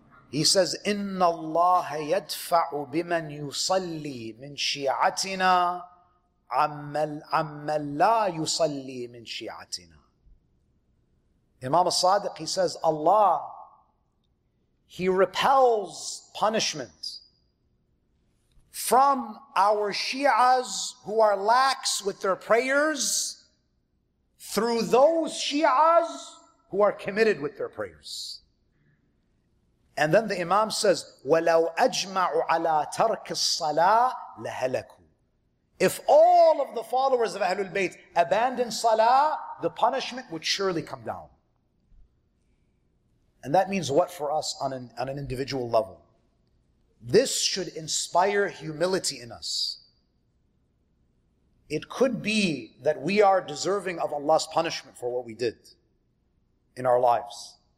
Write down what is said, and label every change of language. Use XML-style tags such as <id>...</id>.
<en>He says,</en> <ar>إِنَّ اللَّهَ يَدْفَعُ بِمَنْ يُصَلِّي مِنْ شِيَعَتِنَا عَمَّنْ لَا يُصَلِّي مِنْ شِيَعَتِنَا.</ar> <en>Imam al-Sadiq, he says, Allah, He repels punishment from our Shias who are lax with their prayers through those Shias who are committed with their prayers. And then the Imam says,</en> <ar>وَلَوْ أَجْمَعُ عَلَىٰ تَرْكِ الصَّلَاةِ لَهَلَكُوا.</ar> <en>If all of the followers of Ahlul Bayt abandon salah, the punishment would surely come down. And that means what for us on an individual level? This should inspire humility in us. It could be that we are deserving of Allah's punishment for what we did in our lives.</en>